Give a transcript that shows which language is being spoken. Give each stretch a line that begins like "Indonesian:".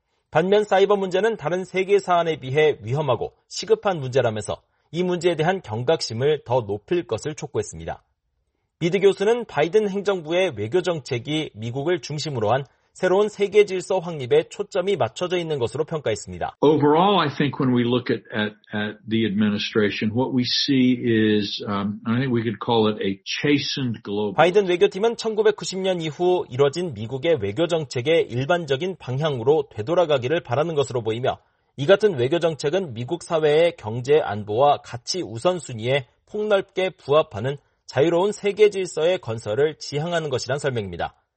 Korean: 반면 사이버 문제는 다른 3개 사안에 비해 위험하고 시급한 문제라면서 이 문제에 대한 경각심을 더 높일 것을 촉구했습니다. 미드 교수는 바이든 행정부의 외교 정책이 미국을 중심으로 한 새로운 세계 질서 확립에 초점이 맞춰져 있는 것으로 평가했습니다.
English: Overall, I think when we look at the administration, what we see is, I think we could call it a chastened global.
Korean: 바이든 외교팀은 1990년 이후 이뤄진 미국의 외교 정책의 일반적인 방향으로 되돌아가기를 바라는 것으로 보이며, 이 같은 외교 정책은 미국 사회의 경제 안보와 가치 우선순위에 폭넓게 부합하는 자유로운 세계 질서의 건설을 지향하는 것이란 설명입니다.